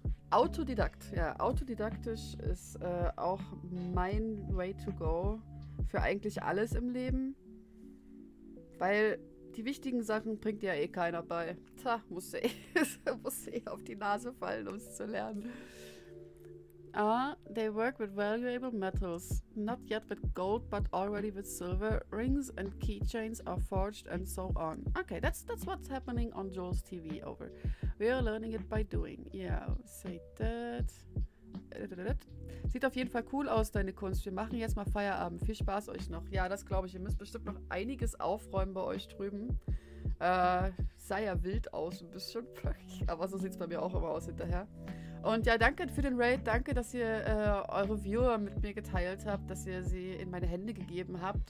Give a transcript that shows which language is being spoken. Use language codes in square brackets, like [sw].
[de] Autodidakt. Ja, autodidaktisch ist auch mein [en] way to go [de] für eigentlich alles im Leben. Weil die wichtigen Sachen bringt ja eh keiner bei. Tja, muss eh auf die Nase fallen, um es zu lernen. [en] Ah, they work with valuable metals. Not yet with gold, but already with silver. Rings and keychains are forged and so on. Okay, that's what's happening on Joel's TV over. We are learning it by doing. Yeah, say that. [de] Sieht auf jeden Fall cool aus, deine Kunst. Wir machen jetzt mal Feierabend. Viel Spaß euch noch. Ja, das glaube ich. Ihr müsst bestimmt noch einiges aufräumen bei euch drüben. Sah ja wild aus, ein bisschen. Aber so sieht es bei mir auch immer aus hinterher. Und ja, danke für den Raid. Danke, dass ihr eure Viewer mit mir geteilt habt, dass ihr sie in meine Hände gegeben habt.